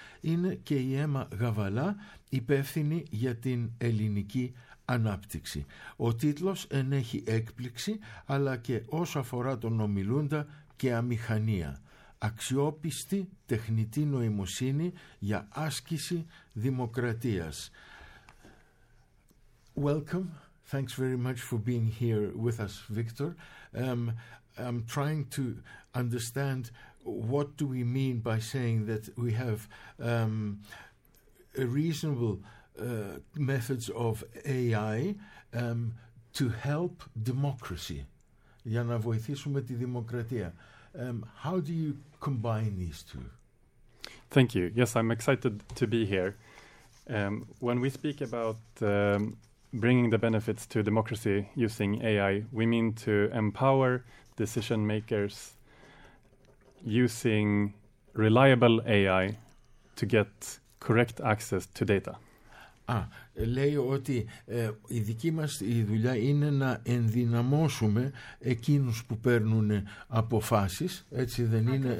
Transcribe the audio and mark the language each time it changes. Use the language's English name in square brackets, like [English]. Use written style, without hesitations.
[Greek] Είναι και η Έμα Γαβαλά, υπεύθυνη για την ελληνική ανάπτυξη. Ο τίτλος ενέχει έκπληξη, αλλά και όσο αφορά τον ομιλούντα και αμηχανία. Αξιόπιστη τεχνητή νοημοσύνη για άσκηση δημοκρατίας. [English] Welcome. Thanks very much for being here with us, Victor. I'm trying to understand what do we mean by saying that we have reasonable methods of AI to help democracy. [Greek] Για να βοηθήσουμε τη δημοκρατία. [English] How do you combine these two? Thank you. Yes, I'm excited to be here. When we speak about bringing the benefits to democracy using AI, we mean to empower decision makers using reliable AI to get correct access to data. [Greek] Λέει ότι η δική μας η δουλειά είναι να ενδυναμώσουμε εκείνους που παίρνουν αποφάσεις, έτσι δεν είναι?